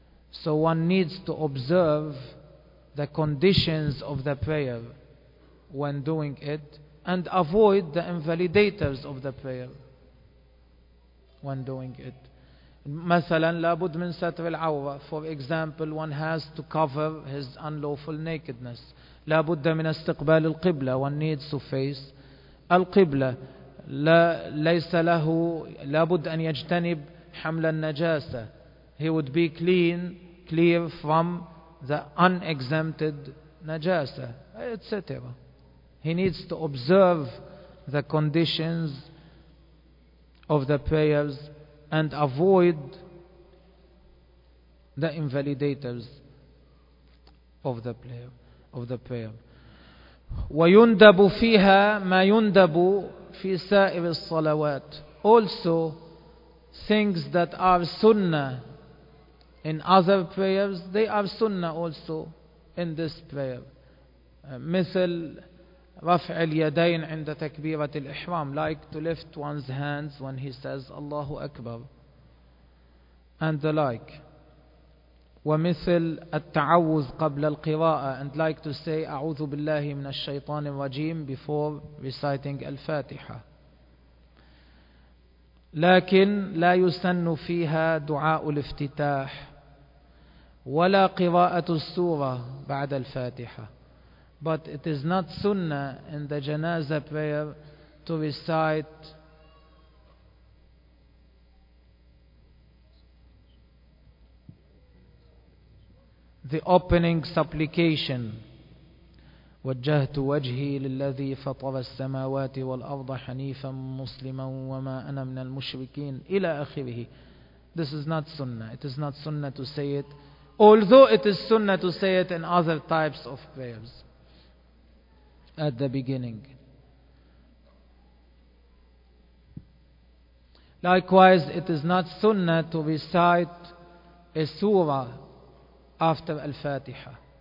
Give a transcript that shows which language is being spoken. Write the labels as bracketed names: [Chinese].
[English] So one needs to observe the conditions of the prayer when doing it and avoid the invalidators of the prayer when doing it. [Arabic] مثلاً لابد من ستر العورة. [English] For example, one has to cover his unlawful nakedness. [Arabic] لابد من استقبال القبلة. [English] One needs to face القبلة. [Arabic] لا ليس له لابد أن يجتنب حمل النجاسة. [English] He would be clear from the unexempted نجاسة, etc. He needs to observe the conditions of the prayers and avoid the invalidators of the prayer. [Arabic] ويندب فيها ما يندب في سائر الصلوات. [English] Also things that are sunnah in other prayers, they are sunnah also in this prayer. [Arabic] مثل رفع اليدين عند تكبيرة الإحرام, [English] like to lift one's hands when he says [Arabic] الله أكبر [English] and the like. [Arabic] ومثل التعوذ قبل القراءة, [English] and like to say [Arabic] أعوذ بالله من الشيطان الرجيم [English] before reciting [Arabic] الفاتحة. لكن لا يسن فيها دعاء الافتتاح ولا قراءة السورة بعد الفاتحة. [English] But it is not sunnah in the janazah prayer to recite the opening supplication. [Arabic] وجهت وجهي للذي فطر السماوات والأرض حنيفا مسلما وما أنا من المشركين إلى آخره. [English] This is not sunnah. It is not sunnah to say it, although it is sunnah to say it in other types of prayers at the beginning. Likewise, it is not sunnah to recite a surah after Al-Fatiha.